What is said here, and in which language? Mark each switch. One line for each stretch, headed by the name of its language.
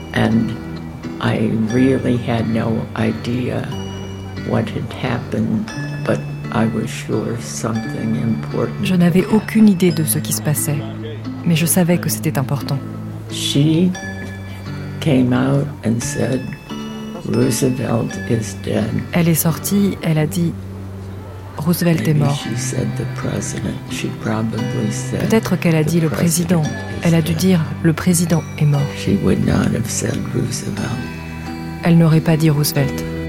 English: And I really had no idea what had happened, but I was sure something important.
French: Je n'avais aucune idée de ce qui se passait, mais je savais que c'était important.
English: She came out and said, "Roosevelt is dead."
French: Elle est sortie, elle a dit, Roosevelt est mort.
English: She said the president. She probably said
French: Peut-être qu'elle a dit le président. Elle a dû dire le président est mort.
English: She would not have said Roosevelt.
French: Elle n'aurait pas dit Roosevelt.